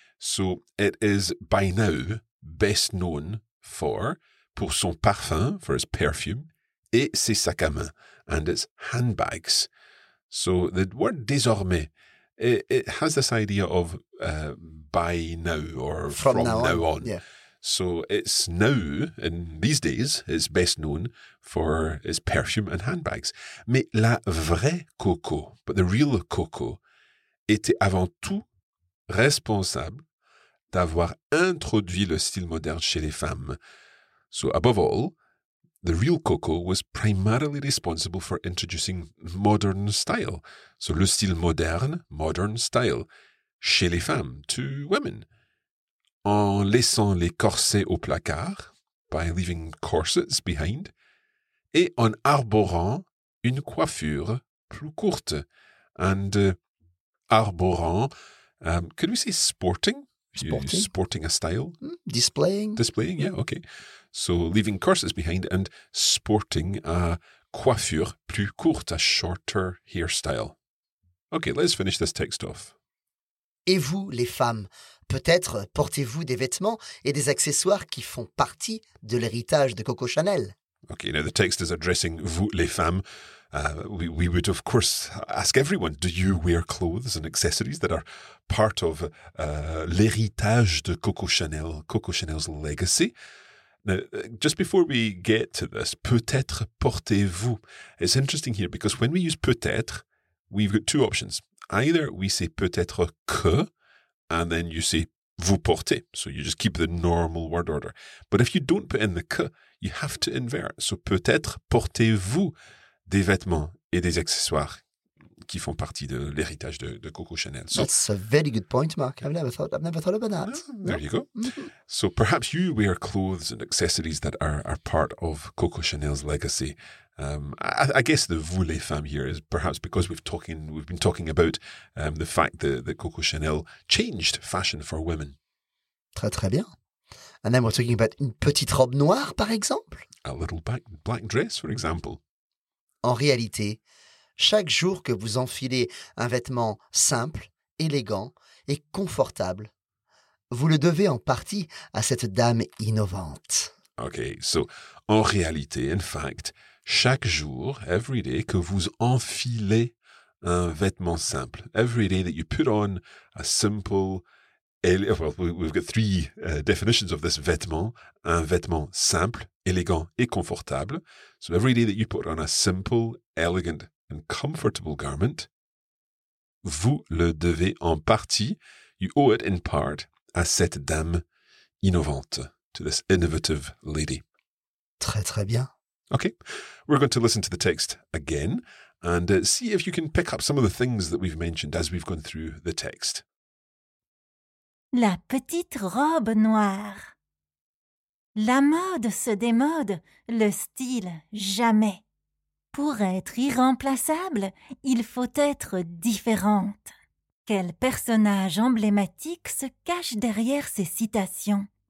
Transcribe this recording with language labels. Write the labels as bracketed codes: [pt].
[en] So it is by now best known for, [fr] pour son parfum, [en] for his perfume, [fr] et ses sacs à main, [en] and its handbags. So the word désormais, it has this idea of by now or from now on. Yeah. So it's now, in these days, it's best known for its perfume and handbags. [fr] Mais la vraie Coco, [en] but the real Coco, [fr] était avant tout responsable d'avoir introduit le style moderne chez les femmes. [en] So above all, the real Coco was primarily responsible for introducing modern style. [fr] So le style moderne, [en] modern style, [fr] chez les femmes, [en] to women. [fr] En laissant les corsets au placard, [en] by leaving corsets behind, [fr] et en arborant une coiffure plus courte. [en] And arborant, could we say sporting? Sporting a style? Displaying. Displaying, yeah, okay. So leaving corsets behind and sporting a [fr] coiffure plus courte, [en] a shorter hairstyle. Okay, let's finish this text off. [fr] Et vous, les femmes, peut-être portez-vous des vêtements et des accessoires qui font partie de l'héritage de Coco Chanel. [en] Okay, now the text is addressing vous, les femmes. We would, of course, ask everyone, do you wear clothes and accessories that are part of [fr] l'héritage de Coco Chanel, [en] Coco Chanel's legacy? Now, just before we get to this, [fr] peut-être portez-vous. [en] It's interesting here because when we use peut-être, we've got two options. Either we say peut-être que, and then you say [fr] vous portez. [en] So you just keep the normal word order. But if you don't put in the que, you have to invert. So [fr] peut-être portez-vous des vêtements et des accessoires qui font partie de l'héritage de Coco Chanel. [en] So, that's a very good point, Mark. I've never thought about that. There you go. So perhaps you wear clothes and accessories that are part of Coco Chanel's legacy. I guess the [fr] vous les femmes [en] here is perhaps because we've been talking about the fact that Coco Chanel changed fashion for women. [fr] Très, très bien. [en] And then we're talking about [fr] une petite robe noire, par exemple. [en] A little black dress, for example. [fr] En réalité, chaque jour que vous enfilez un vêtement simple, élégant et confortable, vous le devez en partie à cette dame innovante. [en] Okay, so, [fr] en réalité, [en] in fact, [fr] chaque jour, [en] every day, [fr] que vous enfilez un vêtement simple, [en] every day that you put on a simple, well, we've got three definitions of this vêtement, [fr] un vêtement simple, élégant et confortable. [en] So every day that you put on a simple, elegant and comfortable garment, [fr] vous le devez en partie, [en] you owe it in part, [fr] à cette dame innovante, [en] to this innovative lady. [fr] Très, très bien. [en] Okay, we're going to listen to the text again and see if you can pick up some of the things that we've mentioned as we've gone through the text. [fr] La petite robe noire. La mode se démode, le style jamais. Pour être irremplaçable, il faut être différente. Quel personnage emblématique se cache derrière ces citations?